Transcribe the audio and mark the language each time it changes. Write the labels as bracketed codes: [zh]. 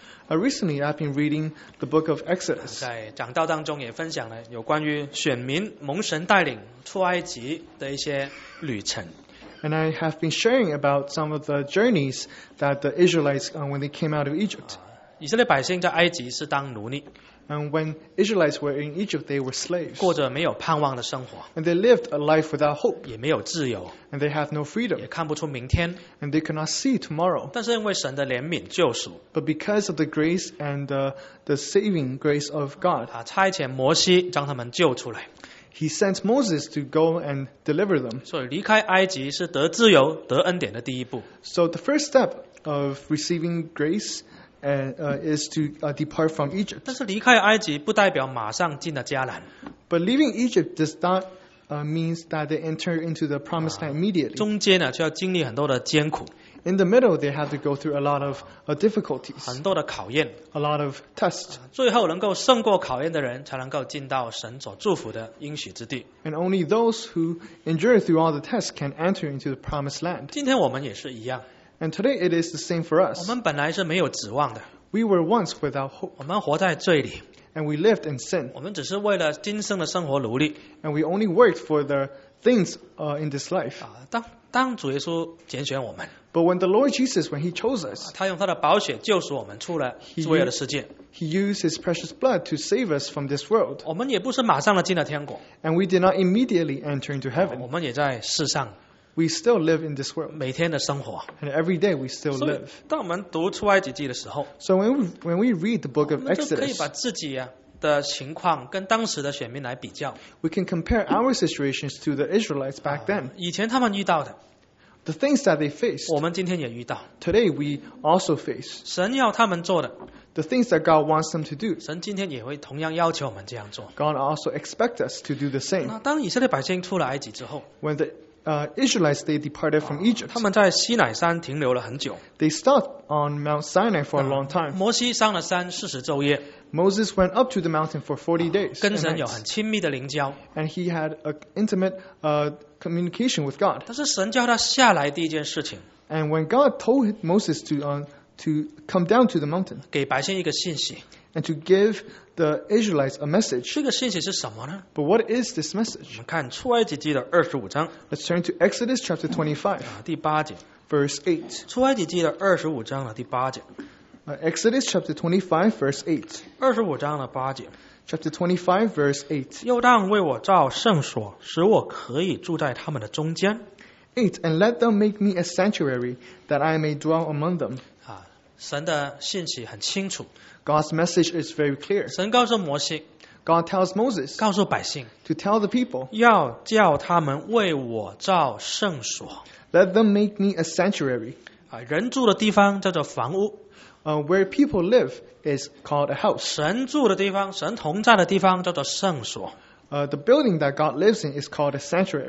[en] Recently, I've been reading the book of Exodus. [zh] 在讲道当中也分享了有关于选民蒙神带领出埃及的一些旅程。 [en] And I have been sharing about some of the journeys that the Israelites, when they came out of Egypt. [zh] 以色列百姓在埃及是当奴隶。 [en] And when Israelites were in Egypt, they were slaves. [zh] 过着没有盼望的生活。 [en] And they lived a life without hope. [zh] 也没有自由。 [en] And they have no freedom. [zh] 也看不出明天。 [en] And they cannot see tomorrow. [zh] 但是因为神的怜悯救赎。 [en] But because of the grace and the saving grace of God, [zh] 差遣摩西将他们救出来。 [en] He sent Moses to go and deliver them. [zh] 所以离开埃及是得自由、得恩典的第一步。 [en] So the first step of receiving grace is to depart from Egypt. [zh] 但是离开埃及不代表马上进了迦南。 [en] But leaving Egypt does not mean that they enter into the promised land immediately. [zh] 中间呢，就要经历很多的艰苦。 [en] In the middle, they have to go through a lot of difficulties, [zh] 很多的考验, [en] a lot of tests. [zh] 最后能够胜过考验的人才能够进到神所祝福的应许之地。 [en] And only those who endure through all the tests can enter into the promised land. [zh] 今天我们也是一样。 [en] And today it is the same for us. [zh] 我们本来是没有指望的。 [en] We were once without hope. [zh] 我们活在罪里。 [en] And we lived in sin. [zh] 我们只是为了今生的生活努力。 [en] And we only worked for the things in this life. [zh] 当主耶稣拣选我们。 [en] But when the Lord Jesus, when He chose us, [zh] 他用他的宝血救赎我们出了罪恶的世界。 [en] He used His precious blood to save us from this world. [zh] 我们也不是马上的进了天国。 [en] And we did not immediately enter into heaven. [zh] 我们也在世上。 [en] We still live in this world. [zh] 每天的生活。 [en] And every day we still live. [zh] 当我们读出埃及记的时候。 [en] So when we read the book of Exodus, [zh] 我们就可以把自己啊。的情况跟当时的选民来比较。 [en] We can compare our situations to the Israelites back then. [zh] 以前他们遇到的。 [en] The things that they faced. [zh] 我们今天也遇到。 [en] Today we also face. [zh] 神要他们做的。 [en] The things that God wants them to do. [zh] 神今天也会同样要求我们这样做。 [en] God also expects us to do the same. [zh] 当以色列百姓出了埃及之后。 [en] When the Israelites, they departed from Egypt. [zh] 他们在西乃山停留了很久。 [en] They stopped on Mount Sinai for a long time. [zh] 摩西上了山40昼夜。 [en] Moses went up to the mountain for 40 days. [zh] 跟神有很亲密的灵交。 [en] And he had an intimate communication with God. [zh] 但是神叫他下来第一件事情。 [en] And when God told Moses to come down to the mountain, [zh] 给百姓一个信息。 [en] And to give the Israelites a message. [zh] 这个信息是什么呢? [en] But what is this message? [zh] 我们看出埃及记的25章。 [en] Let's turn to Exodus chapter 25. [zh] 第八节。 [en] Verse 8. [zh] 出埃及记的25章的第八节。 [en] Exodus chapter 25, verse 8. Chapter 25, verse 8. 8. And let them make me a sanctuary that I may dwell among them. [zh] 神的信息很清楚, [en] God's message is very clear. [zh] 神告诉摩西, [en] God tells Moses [zh] 告诉百姓, [en] to tell the people [zh] 要叫他们为我造圣所, [en] let them make me a sanctuary. [zh] 人住的地方叫做房屋。 [en] Where people live is called a house. [zh] 神住的地方，神同在的地方叫做圣所。 [en] The building that God lives in is called a sanctuary.